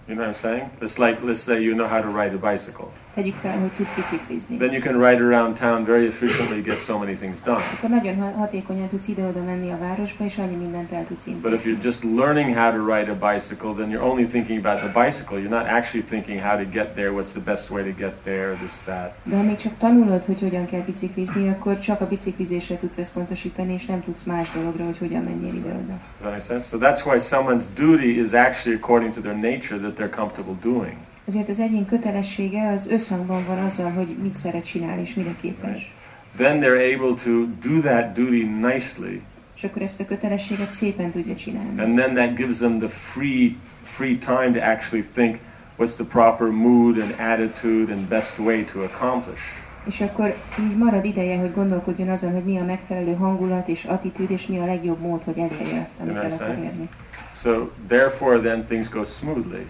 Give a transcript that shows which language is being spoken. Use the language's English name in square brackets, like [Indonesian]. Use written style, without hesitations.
[English] You know what I'm saying? It's like, let's say you know how to ride a bicycle. [Hungarian] Tegyük fel, hogy tudsz biciklizni. [English] Then you can ride around town very efficiently, get so many things done. [Hungarian] Akkor nagyon hatékonyan tudsz ide-oda menni a városba, és annyi mindent el tudsz intézni. [English] But if you're just learning how to ride a bicycle, then you're only thinking about the bicycle. You're not actually thinking how to get there, what's the best way to get there, this, that. [Hungarian] De ha még csak tanulod, hogy hogyan kell biciklizni, akkor csak a biciklizésre tudsz összpontosítani, és nem tudsz más dologra, hogy hogyan menjél ide-oda. [English] Does that make sense? So that's why someone's duty is actually according to their nature that they're comfortable doing. [Hungarian] Azért az egyén kötelessége az összhangban van azzal, hogy mit szeret csinálni és mire képes. [English] Right. Then they're able to do that duty nicely. [Hungarian] És akkor ezt a kötelességet szépen tudja csinálni. [English] And then that gives them the free time to actually think what's the proper mood and attitude and best way to accomplish. [Hungarian] És akkor így marad ideje, hogy gondolkodjon azon, hogy mi a megfelelő hangulat és attitűd, és mi a legjobb mód, hogy elérje azt, amit el akar érni. [English] So therefore then things go smoothly.